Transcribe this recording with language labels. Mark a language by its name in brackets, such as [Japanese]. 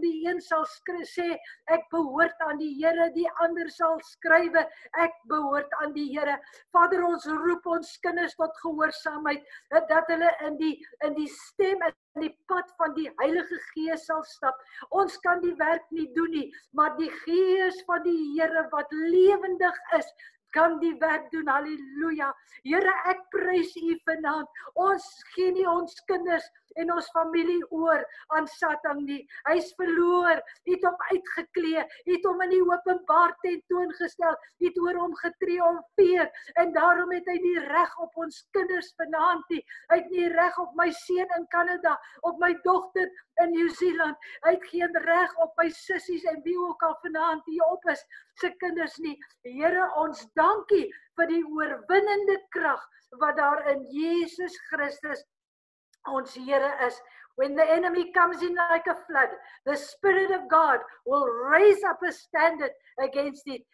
[Afrikaans] Die een sal sê, ek behoort aan die Here. Die ander sal skrywe, ek behoort aan die Here. Vader, ons roep ons kinders tot gehoorsaamheid. Dat hulle in die stem in die pad van die Heilige Gees sal stap. Ons kan die werk nie doen nie, maar die Gees van die Here wat lewendig is, kan die werk doen. Halleluja. Here, ek prys U vanaand. Ons gee nie ons kinders en ons familie oor aan Satan nie. Hy is verloor. Hy het hom uitgeklee. Hy het hom in die openbaar tentoongestel. Hy het oor hom getriomfeer. En daarom het hy nie reg op ons kinders vanaand nie. Hy het nie reg op my seun in Kanada, op my dogter in Nieu-Seeland. Hy het geen reg op my sissies en wie ook al vanaand hier op is, se kinders nie. Here, ons dankie vir die oorwinnende krag wat daar in Jesus Christus ons Here is. [English] When the enemy comes in like a flood, the Spirit of God will raise up a standard against it.